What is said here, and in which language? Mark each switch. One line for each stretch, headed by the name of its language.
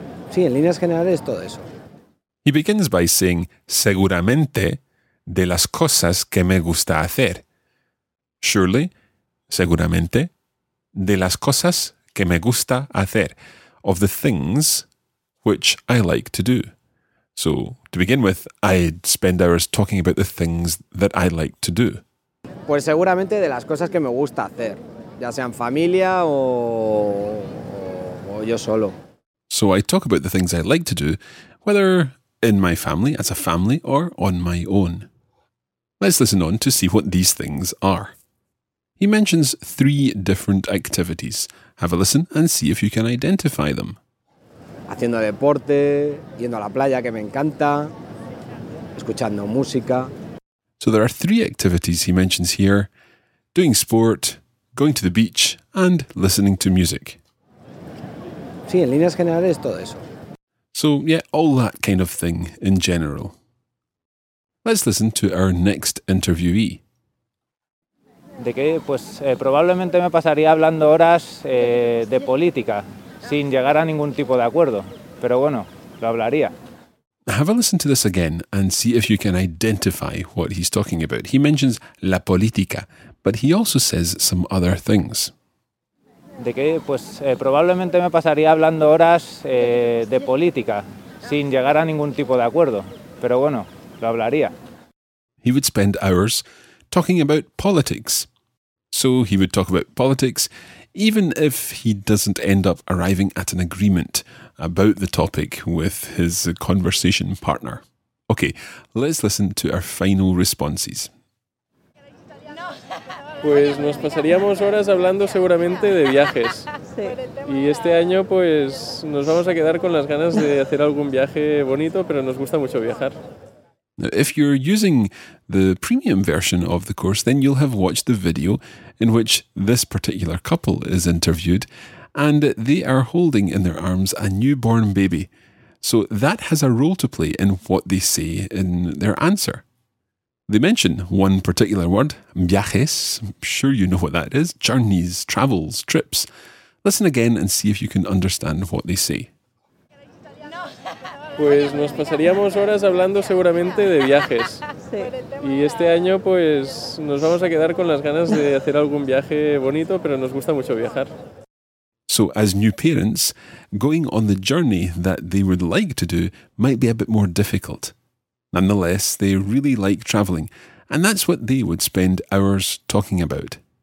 Spanish: Sí, en líneas generales todo eso.
English: He begins by saying,
Spanish: seguramente, de las cosas que me gusta hacer.
English: Surely,
Spanish: seguramente, de las cosas que me gusta hacer.
English: Of the things which I like to do. So, to begin with, I'd spend hours talking about the things that I like to do.
Spanish: Pues seguramente de las cosas que me gusta hacer. Ya sean familia o yo solo.
English: So I talk about the things I like to do, whether in my family, as a family, or on my own. Let's listen on to see what these things are. He mentions three different activities. Have a listen and see if you can identify them.
Spanish: Haciendo deporte, yendo a la playa que me encanta, escuchando música.
English: So there are three activities he mentions here: doing sport, going to the beach, and listening to music.
Spanish: Sí, en líneas generales todo eso.
English: So, yeah, all that kind of thing in general. Let's listen to our next interviewee.
Spanish: ¿De qué? Pues probablemente me pasaría hablando horas de política, sin llegar a ningún tipo de acuerdo. Pero bueno, lo hablaría.
English: Have a listen to this again and see if you can identify what he's talking about. He mentions la política, but he also says some other things.
Spanish: ¿De qué? Pues probablemente me pasaría hablando horas de política, sin llegar a ningún tipo de acuerdo. Pero bueno, lo hablaría.
English: He would spend hours talking about politics. So he would talk about politics, even if he doesn't end up arriving at an agreement about the topic with his conversation partner. Okay, let's listen to our final responses.
Spanish: Pues nos pasaríamos horas hablando seguramente de viajes. Sí. Y este año pues nos vamos a quedar con las ganas de hacer algún viaje bonito, pero nos gusta mucho viajar.
English: Now, if you're using the premium version of the course, then you'll have watched the video in which this particular couple is interviewed, and they are holding in their arms a newborn baby. So that has a role to play in what they say in their answer. They mention one particular word, viajes. I'm sure you know what that is. Journeys, travels, trips. Listen again and see if you can understand what they say.
Spanish: Pues nos pasaríamos horas hablando seguramente de viajes. Sí. Y este año pues nos vamos a quedar con las ganas de hacer algún viaje bonito, pero nos gusta mucho viajar.
English: So as new parents, going on the journey that they would like to do might be a bit more difficult. Nonetheless, they really like traveling, and that's what they would spend hours talking about.